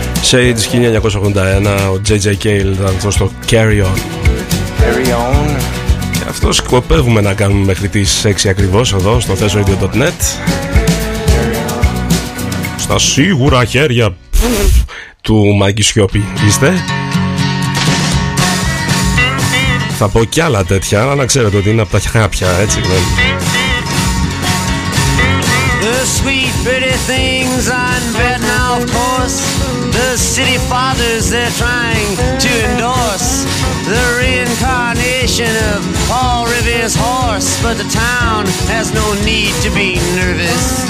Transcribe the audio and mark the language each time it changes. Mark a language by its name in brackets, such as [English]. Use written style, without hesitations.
[Greek] Sage 1981, ο JJ Cale ήταν αυτό στο Carry On. [English] Carry On, [Greek] Αυτό σκοπεύουμε να κάνουμε μέχρι τις 6 ακριβώς εδώ στο thesradio.net. Στα σίγουρα χέρια του Μάγκη Σιώπη είστε. Θα πω κι άλλα τέτοια, αλλά να ξέρετε ότι είναι από τα χάπια, έτσι δεν είναι. [English] The sweet pretty things on bed now, of course. The city fathers they're trying to endorse. The reincarnation of Paul Revere's horse. But the town has no need to be nervous.